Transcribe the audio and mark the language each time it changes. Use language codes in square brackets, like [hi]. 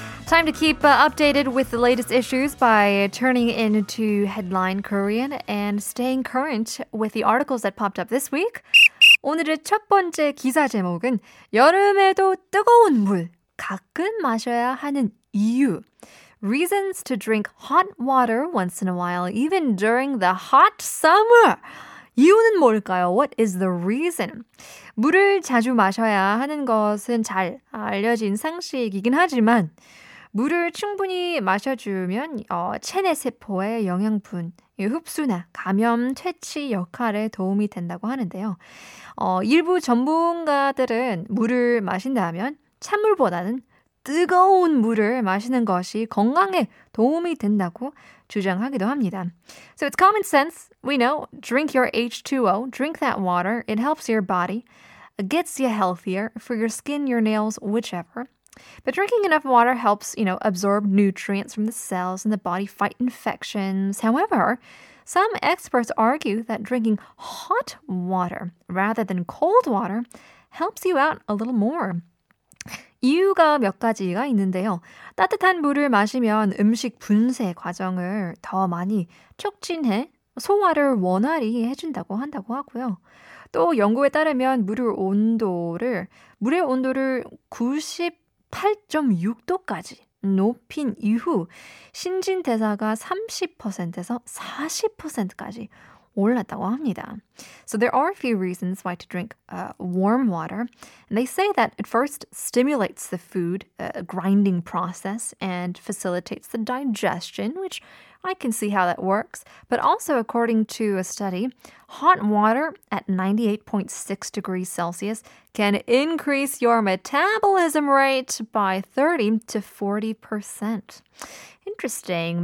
[en] Time to keep updated with the latest issues by turning into Headline Korean and staying current with the articles that popped up this week. [ko] 오늘의 첫 번째 기사 제목은 여름에도 뜨거운 물 가끔 마셔야 하는 이유. [en] Reasons to drink hot water once in a while, even during the hot summer. [ko] 이유는 뭘까요? [en] What is the reason? [ko] 물을 자주 마셔야 하는 것은 잘 알려진 상식이긴 하지만 물을 충분히 마셔주면 체내 세포의 영양분, 흡수나 감염, 퇴치 역할에 도움이 된다고 하는데요. 일부 전문가들은 물을 마신다면 찬물보다는 뜨거운 물을 마시는 것이 건강에 도움이 된다고 주장하기도 합니다. [en] So it's common sense. We know, drink your H2O, drink that water. It helps your body, gets you healthier for your skin, your nails, whichever. But drinking enough water helps, you know, absorb nutrients from the cells and the body, fight infections. However, some experts argue that drinking hot water rather than cold water helps you out a little more. [ko] 이유가 몇 가지가 있는데요. 따뜻한 물을 마시면 음식 분쇄 과정을 더 많이 촉진해 소화를 원활히 해준다고 한다고 하고요. 또 연구에 따르면 물의 온도를 98.6도까지 높인 이후 신진대사가 30%에서 40%까지 올랐다고 합니다. [en] So there are a few reasons why to drink warm water. And they say that it first stimulates the food grinding process and facilitates the digestion, which I can see how that works. But also, according to a study, hot water at 98.6 degrees Celsius can increase your metabolism rate by 30 to 40%. Interesting.